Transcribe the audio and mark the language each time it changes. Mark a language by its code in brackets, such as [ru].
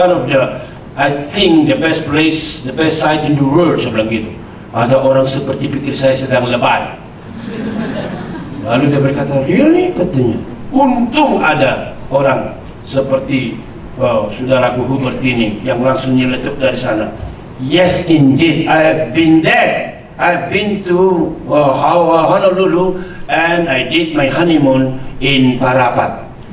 [en] One of the, I think, the best place, the best site in the world. [id] Saya bilang gitu. Ada orang seperti pikir saya sedang lebay. Lalu dia berkata, [en] really? [id] Katanya. Untung ada orang seperti saudaraku Hubert ini yang langsung nyeletuk dari sana. [en] Yes, indeed. I have been there. I've been to Honolulu and I did my honeymoon in Parapat.